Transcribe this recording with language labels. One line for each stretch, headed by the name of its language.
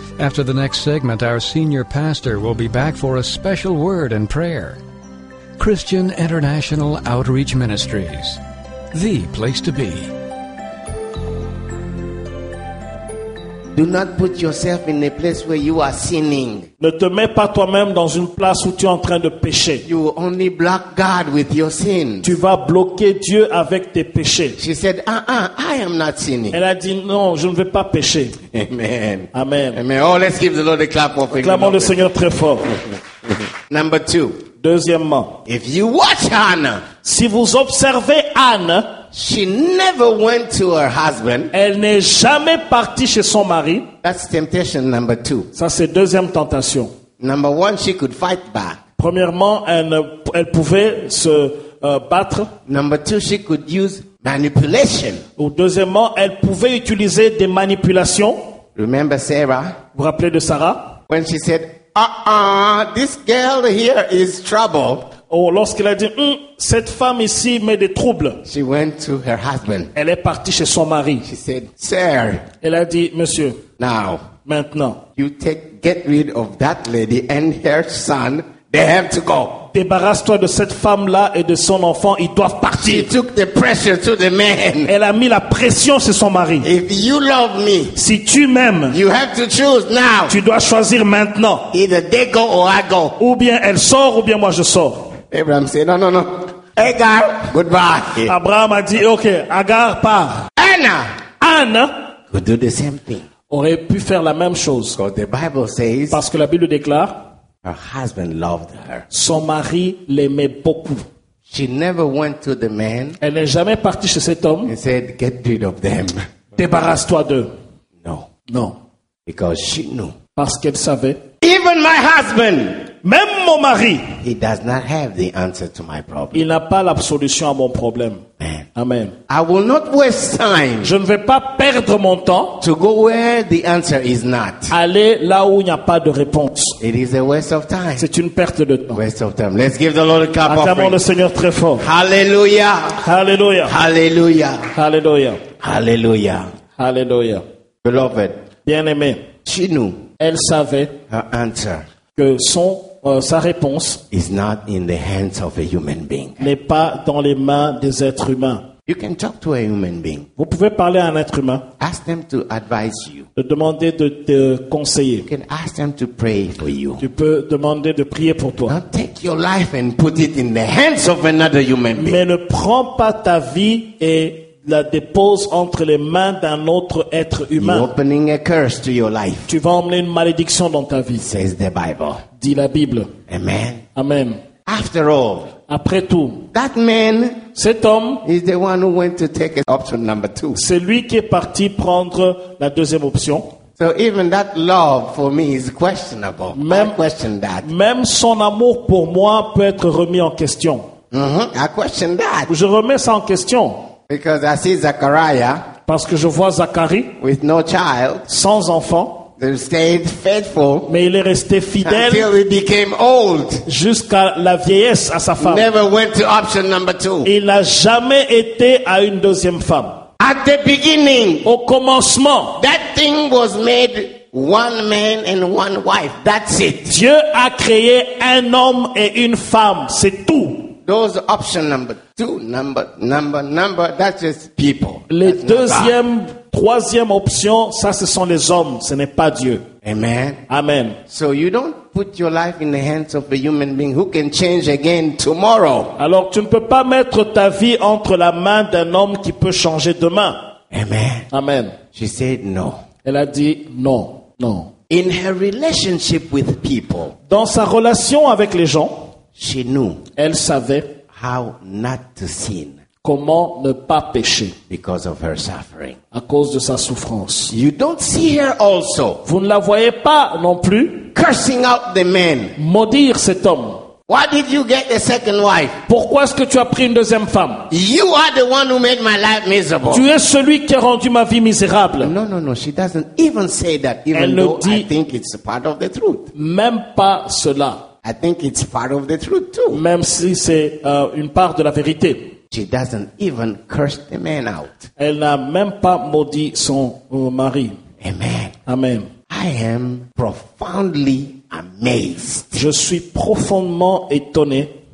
English: After the next segment, our senior pastor will be back for a special word and prayer. Christian International Outreach Ministries, the place to be. Do not put yourself in a place where you are sinning.
French: Ne te mets pas toi-même dans une place où tu es en train de pécher.
English: You only block God with your sin.
French: Tu vas bloquer Dieu avec tes péchés.
English: She said, I am not sinning.
French: Elle a dit non, je ne vais pas pécher.
English: Amen.
French: Amen.
English: Amen. Oh, let's give the Lord a clap of
French: praise. Acclamons le Seigneur très fort.
English: Number two.
French: Deuxièmement,
English: if you watch Anna,
French: si vous observez Anne,
English: she never went to her husband.
French: Elle n'est jamais partie chez son mari.
English: That's temptation number two.
French: Ça c'est deuxième tentation.
English: Number one, she could fight back.
French: Premièrement, elle pouvait se battre.
English: Number two, she could use manipulation.
French: Ou deuxièmement, elle pouvait utiliser des manipulations.
English: Remember Sarah?
French: Vous vous rappelez de Sarah?
English: When she said, this girl here is trouble.
French: Oh, lorsqu'elle a dit, cette femme ici met des troubles.
English: She went to her husband.
French: Elle est partie chez son mari.
English: She said, sir.
French: Elle a dit, monsieur.
English: Now.
French: Maintenant.
English: You take, get rid of that lady and her son. They have to go.
French: Débarrasse-toi de cette femme-là et de son enfant. Ils doivent partir.
English: She took the pressure to the man.
French: Elle a mis la pression sur son mari.
English: If you love me,
French: si tu m'aimes,
English: you have to choose now.
French: Tu dois choisir maintenant.
English: Either they go or I go.
French: Ou bien elle sort ou bien moi je sors.
English: Abraham said, no, no, no. Agar, goodbye.
French: Abraham a dit, ok, Agar part.
English: Anna.
French: Anna.
English: Could do the same thing.
French: Aurait pu faire la même chose.
English: Because the Bible says,
French: parce que la Bible déclare,
English: her husband loved her.
French: Son mari l'aimait beaucoup.
English: She never went to the man.
French: Elle n'est jamais partie chez cet homme.
English: He said, get rid of them.
French: Débarrasse-toi d'eux.
English: No.
French: Non.
English: Because she knew.
French: Parce qu'elle savait.
English: Even my husband.
French: Même mon mari.
English: He does not have the answer to my problem.
French: Il n'a pas la solution à mon problème.
English: Man.
French: Amen.
English: I will not waste time.
French: Je ne vais pas perdre mon temps.
English: To go where the answer is not.
French: Aller là où il n'y a pas de réponse.
English: It is a waste of time.
French: C'est une perte de temps.
English: Waste of time. Let's give the Lord a clap.
French: Acclamons le Seigneur très fort.
English: Hallelujah.
French: Hallelujah.
English: Hallelujah.
French: Hallelujah.
English: Hallelujah.
French: Hallelujah.
English: Beloved.
French: Bien-aimé.
English: She knew.
French: Elle savait
English: her answer.
French: Que son sa réponse
English: is not in the hands of a human being.
French: N'est pas dans les mains des êtres humains.
English: You can talk to a human being.
French: Vous pouvez parler à un être humain.
English: Ask them to advise you.
French: Demander de te conseiller.
English: You can ask them to pray for you.
French: Tu peux demander de prier pour toi.
English: Don't take your life and put it in the hands of another human being.
French: Mais ne prends pas ta vie et la dépose entre les mains d'un autre être humain.
English: You're opening a curse to your life.
French: Tu vas emmener une malédiction dans ta vie.
English: Says the Bible.
French: Dit la Bible.
English: Amen.
French: Amen.
English: After all.
French: Après tout,
English: that man,
French: cet homme,
English: is the one who went to take option number two.
French: C'est lui qui est parti prendre la deuxième option.
English: So even that love for me is questionable.
French: Même,
English: I question that.
French: Même son amour pour moi peut être remis en question.
English: I question that.
French: Je remets ça en question.
English: Because I see Zachariah,
French: parce que je vois Zacharie,
English: with no child,
French: sans enfant.
English: They stayed faithful.
French: Mais il est resté fidèle
English: until he became old.
French: Jusqu'à la vieillesse à sa femme.
English: Never went to option number two.
French: Il n'a jamais été à une deuxième femme.
English: At the beginning,
French: au commencement,
English: that thing was made one man and one wife. That's it.
French: Dieu a créé un homme et une femme. C'est tout.
English: Those option number two, number, that's just people.
French: Les deuxième, troisième option, ça ce sont les hommes, ce n'est pas Dieu.
English: Amen.
French: Amen.
English: So you don't put your life in the hands of a human being who can change again tomorrow.
French: Alors tu ne peux pas mettre ta vie entre la main d'un homme qui peut changer demain.
English: Amen.
French: Amen.
English: She said no.
French: Elle a dit non, non.
English: In her relationship with people.
French: Dans sa relation avec les gens.
English: She knew.
French: Elle savait.
English: How not to sin.
French: Comment ne pas pécher?
English: Because of her suffering.
French: À cause de sa souffrance.
English: You don't see her also.
French: Vous ne la voyez pas non plus.
English: Cursing out the man.
French: Maudire cet homme.
English: Why did you get a second wife?
French: Pourquoi est-ce que tu as pris une deuxième femme?
English: You are the one who made my life miserable.
French: Tu es celui qui a rendu ma vie misérable.
English: No, no, no. She doesn't even say that. Even
French: elle
English: though I think it's a part of the truth.
French: Même pas cela.
English: I think it's part of the truth too.
French: Même si c'est une part de la vérité.
English: She doesn't even curse the man out.
French: Elle n'a même pas maudit son mari.
English: Amen.
French: Amen.
English: I am profoundly amazed.
French: Je suis profondément étonné.